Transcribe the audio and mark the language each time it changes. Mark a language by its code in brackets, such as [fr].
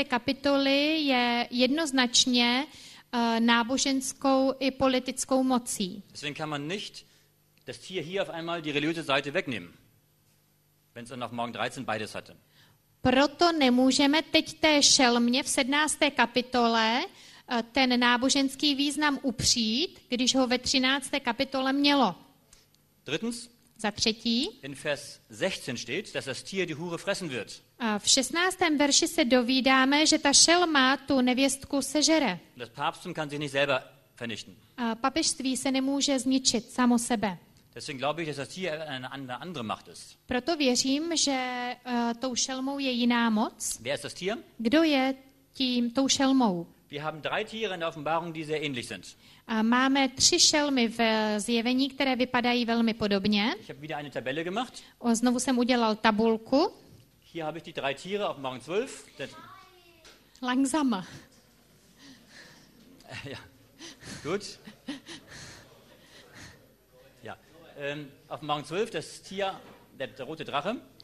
[cs] kapitoly je jednoznačně náboženskou i politickou mocí. [de] Deswegen kann man nicht das Tier hier auf einmal die religiöse Seite wegnehmen, wenn es dann Offenbarung 13 beides hatte. [cs] Proto nemůžeme teď té šelmě v 17. kapitole ten náboženský význam upřít, když ho ve 13. kapitole mělo. [de] Drittens. [cs] Za třetí. [de] In Vers 16 steht, dass das Tier die Hure fressen wird. [cs] V 16. verši se dovídáme, že ta šelma tu nevěstku sežere. [de] Das Papsttum kann sich nicht selber vernichten. [cs] Papežství se nemůže zničit samo sebe. [de] Deswegen glaube ich, dass das Tier eine andere Macht ist. [cs] Proto věřím, že tou šelmou je jiná moc. [de] Wer ist das Tier? [cs] Kdo je tím tou šelmou? [de] Wir haben drei Tiere in der Offenbarung, die sehr ähnlich sind. [cs] Máme tři šelmy v zjevení, které vypadají velmi podobně. [de] Ich habe wieder eine Tabelle gemacht. [cs] Znovu jsem udělal tabulku. [de] Hier habe ich die drei Tiere auf Morgen 12. Langsamer. Ja. Gut. Ja. Auf Morgen 12 das Tier der rote Drache.